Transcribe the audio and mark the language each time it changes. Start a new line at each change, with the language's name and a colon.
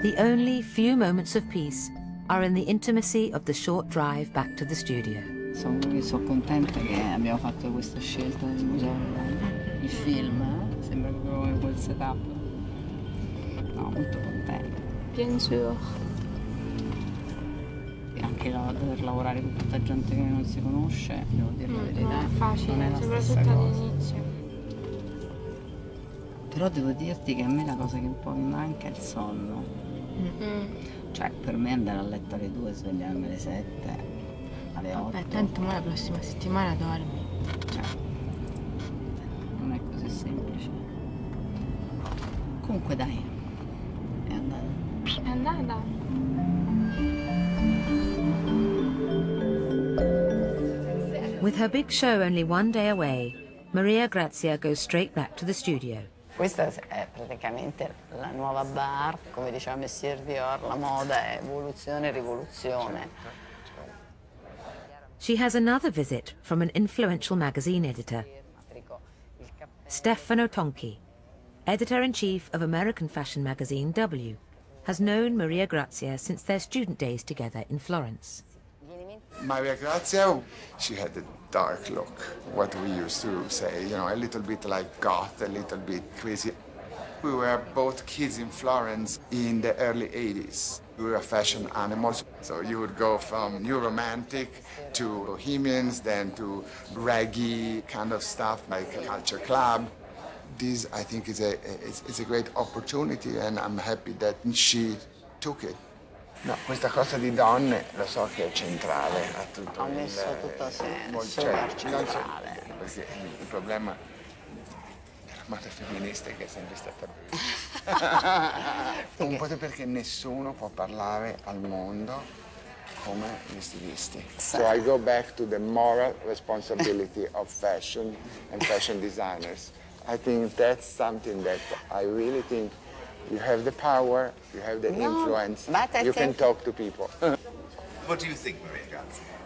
English: The only few moments of peace are in the intimacy of the short drive back to the studio.
Italian: Sono contenta che abbiamo fatto questa scelta del museo. Il film, sembra proprio quel setup. No, molto contenta.
French: Bien sûr.
Italian: E anche dover lavorare con tutta gente che non si conosce, devo dire la verità. Non è facile, soprattutto all'inizio. Però devo dirti che a me la cosa che un po' mi manca è il sonno. Cioè, per me andare a letto alle 2, svegliarmi alle 7, alle 8. Vabbè, tanto ma la prossima settimana dormi. Cioè, non è così semplice. Comunque dai, è andata. È andata.
English: With her big show only one day away, Maria Grazia goes straight back to the studio.
Italian: Questa è praticamente la nuova bar, come diceva Monsieur Dior, la moda è evoluzione e rivoluzione.
English: She has another visit from an influential magazine editor. Stefano Tonchi, editor-in-chief of American fashion magazine W, has known Maria Grazia since their student days together in Florence. Maria Grazia, she had a dark look, what we used to say, you know, a little bit like goth, a little bit crazy. We were both kids in Florence in the early 80s. We were fashion animals. So you would go from New Romantic to Bohemians, then to reggae kind of stuff, like a culture club. This, I think, is a great opportunity, and I'm happy that she took it.
Italian: No, questa cosa di donne lo so che è centrale a tutto. Ha messo il, tutto a senso, molto, cioè, centrale. So, perché il problema della moda femminista è che è sempre stata brutta. Un po' perché nessuno può parlare al mondo come gli stilisti.
English: So I go back to the moral responsibility of fashion and fashion designers. I think that's something that I really think you have the power, you have the influence, you can talk to people. What do you think, Maria Grazia?